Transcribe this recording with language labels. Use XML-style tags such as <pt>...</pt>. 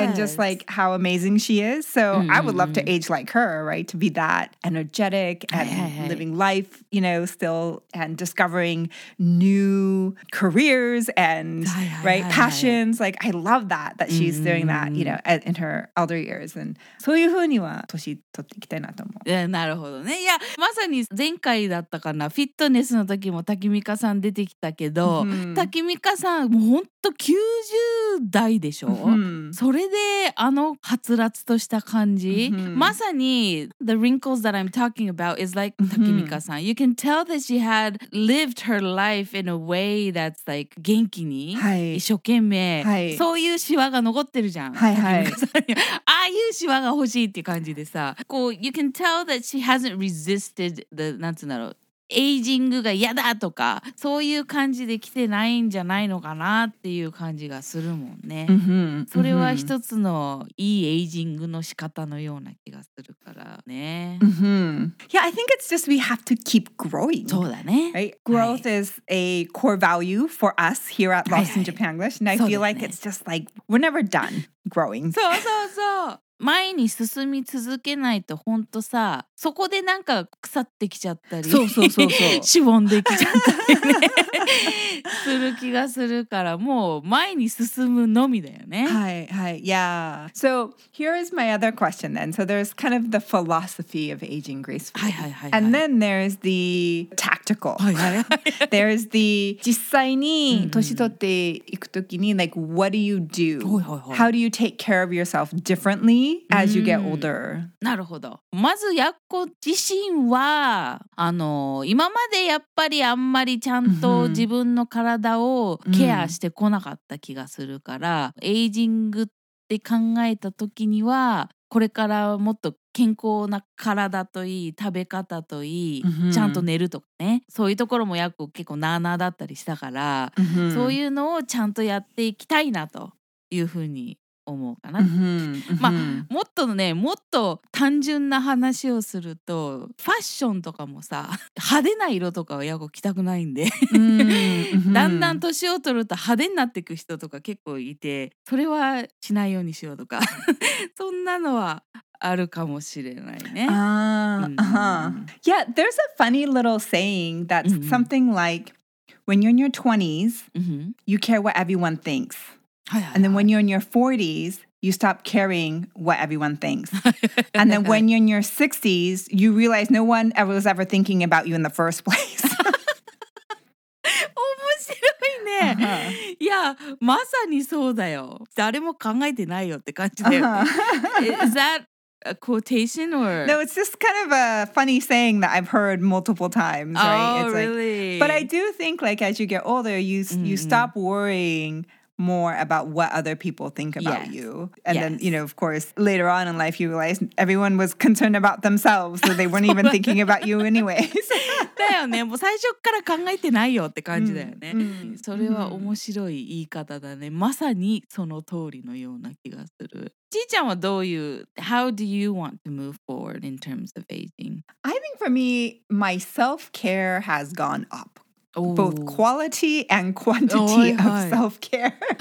<en>And just like how amazing she is. So mm-hmm. I would love to age like her, right? To be that energetic and living life, you know, still and discovering new careers and, right, passions. Like, I love that she's doing that, you know, in her elder years.</en> <ja>And そういうふうには年取っていきたいなと思う。なるほどね。いや、まさに前回だったかな。フィットネスの時もタキミカさん出てきたけど、タキミカさんもうほんと90代でしょ、 mm-hmm. それであのはつらつとした感じ、 mm-hmm.</ja> <en>まさに the wrinkles that I'm talking about is like Takimika-san、mm-hmm. You can tell that she had lived her life in a way that's like 元気に、</en> <ja>はい、一生懸命、はい、そういうシワが残ってるじゃん、はいはい、 Takimika-san にああいうシワが欲しいっていう感じでさこう</ja> <en>You can tell that she hasn't resisted the</en> <ja>なんつうんだろうエイジングが嫌だとかそういう感じで来てないんじゃないのかなっていう感じがするもんね、うん、それは一つのいいエイジングの仕方のような気がするからね、</ja> <en>うん、Yeah, I think it's just we have to keep growing.</en> <ja>そうだね、</ja> <en>right? Growth、はい、is a core value for us here at Lost in Japan English and I feel、ね、like it's just like we're never done growing.</en> <ja>そうそうそう前に進み続けないと本当さそこでなんか腐ってきちゃったりそうそうそうそうしぼんできちゃったりねする気がするからもう前に進むのみだよね</ja> <en>はいはい Yeah So here is my other question then So there's kind of the philosophy of aging gracefully</en> <ja>はいはいはい、はい、</ja> <en>And then there's the tactical</en> <ja>はいはい、はい、</ja> <en>There's the</en> <ja>実際に年取っていくときに</ja> <en>Like what do you do?</en> <ja>はいはいはい、</ja> <en>How do you take care of yourself differentlyAs you get older.</en> <ja>なるほど。まずやっこ自身は、今までやっぱりあんまりちゃんと自分の体をケアしてこなかった気がするから、エイジングって考えた時には、これからもっと健康な体といい、食べ方といい、ちゃんと寝るとかね。そういうところもやっこ結構なあなあだったりしたから、そういうのをちゃんとやっていきたいなというふうに思うかな、 mm-hmm. まあ、もっとねもっと単純な話をするとファッションとかもさ派手な色とかはやっぱ着たくないんで、 mm-hmm. だんだん年を取ると派手になっていく人とか結構いてそれはしないようにしようとかそんなのはあるかもしれないね、 uh-huh.</ja> <en>Yeah, there's a funny little saying that's something like when you're in your 20s, you care what everyone thinksAnd then when you're in your 40s, you stop caring what everyone thinks. And then when you're in your 60s, you realize no one ever was ever thinking about you in the first place.</en> <ja>面白いね。いや、まさにそうだよ。誰も考えてないよって感じだよ。</ja> <en>Is that a quotation or? No, it's just kind of a funny saying that I've heard multiple times, right? Oh, it's really? Like, but I do think like as you get older, you stop worrying... more about what other people think about yes. you. And yes. then, you know, of course, later on in life, you realize everyone was concerned about themselves, so they weren't even thinking about you anyways.</en> <ja>だよね。もう最初から考えてないよって感じだよね。それは面白い言い方だね。まさにその通りのような気がする。ちいちゃんはどういう、</ja> <en>how do you want to move forward in terms of aging? I think for me, my self-care has gone up. Both quality and quantity oh, of self-care.</en>